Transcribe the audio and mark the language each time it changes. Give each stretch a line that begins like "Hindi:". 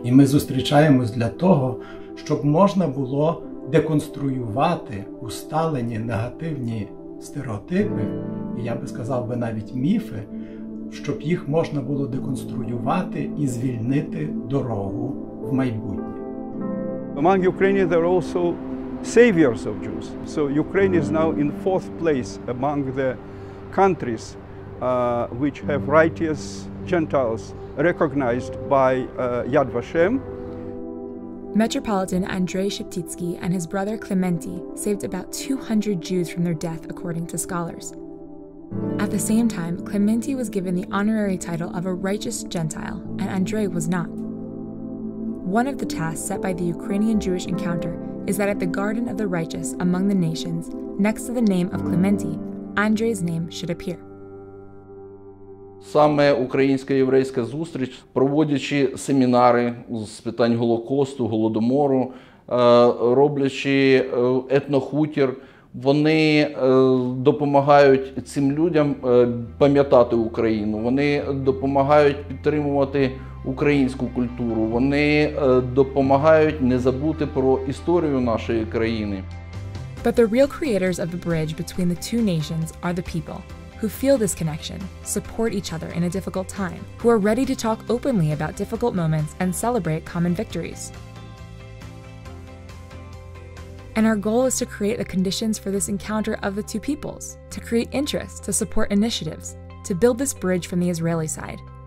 Ukrainian: І ми зустрічаємось для того, щоб можна було деконструювати усталені негативні стереотипи, і я би сказав би навіть міфи, щоб їх можна було деконструювати і звільнити дорогу в майбутнє.
English: Among Ukrainians there are also saviors of Jews. So Ukraine is now in fourth place among the countries which have righteous Gentiles recognized by Yad Vashem. Metropolitan Andrei Sheptitsky and his brother Clementi saved about 200 Jews from their death, according to scholars. At the same time, Clementi was given the honorary title of a righteous Gentile, and Andrei was not. One of the tasks set by the Ukrainian Jewish Encounter is that at the Garden of the Righteous among the nations, next to the name of Clementi, Andrei's name should appear.
Ukrainian: Саме українсько-єврейська зустріч, проводячи семінари з питань Голокосту, Голодомору, роблячи етнохутір, вони допомагають цим людям пам'ятати Україну, вони допомагають підтримувати українську культуру, вони допомагають не забути про історію нашої країни.
English: But the real creators of the bridge between the two nations are the people, who feel this connection, support each other in a difficult time, who are ready to talk openly about difficult moments and celebrate common victories. And our goal is to create the conditions for this encounter of the two peoples, to create interest, to support initiatives, to build this bridge from the Israeli side.